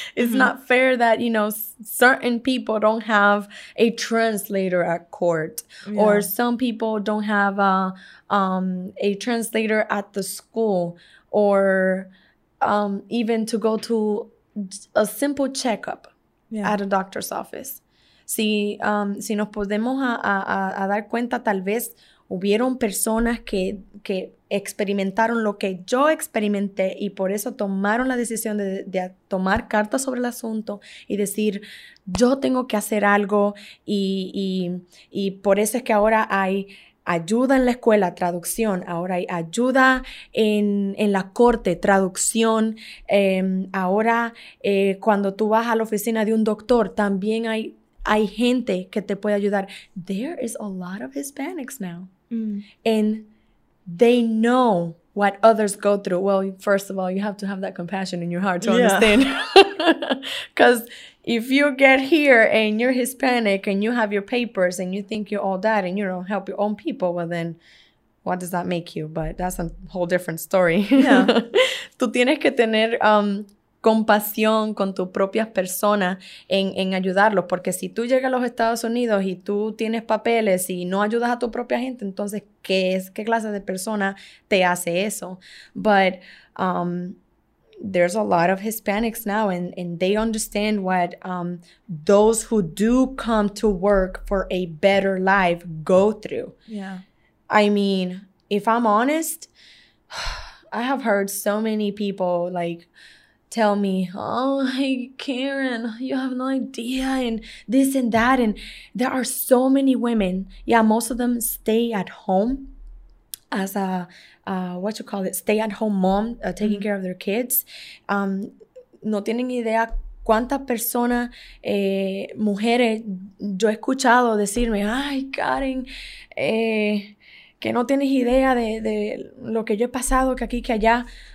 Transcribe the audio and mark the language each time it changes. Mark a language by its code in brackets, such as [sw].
[en] It's not fair that, you know, certain people don't have a translator at court, or some people don't have a translator at the school, or even to go to a simple checkup at a doctor's office. [es] Si nos podemos a dar cuenta, tal vez hubieron personas que experimentaron lo que yo experimenté y por eso tomaron la decisión de tomar cartas sobre el asunto y decir, yo tengo que hacer algo y por eso es que ahora hay ayuda en la escuela, traducción, ahora hay ayuda en la corte, traducción, ahora cuando tú vas a la oficina de un doctor también hay gente que te puede ayudar. [en] There is a lot of Hispanics now. And they know what others go through. Well, first of all, you have to have that compassion in your heart to understand. Because if you get here and you're Hispanic and you have your papers and you think you're all that and you don't help your own people, well then, what does that make you? But that's a whole different story. [es] Tú tienes que tener compasión con tus propias personas en ayudarlos, porque si tú llegas a los Estados Unidos y tú tienes papeles y no ayudas a tu propia gente, entonces qué clase de persona te hace eso? [en] But there's a lot of Hispanics now and they understand what those who do come to work for a better life go through. Yeah. I mean, if I'm honest, I have heard so many people like tell me, oh, hey, Karen, you have no idea, and this and that. And there are so many women. Yeah, most of them stay at home as a, what you call it, stay-at-home mom, taking care of their kids. [es] No tienen idea cuántas personas, mujeres, yo he escuchado decirme, ay, Karen, que no tienes idea de lo que yo he pasado, que aquí, que allá.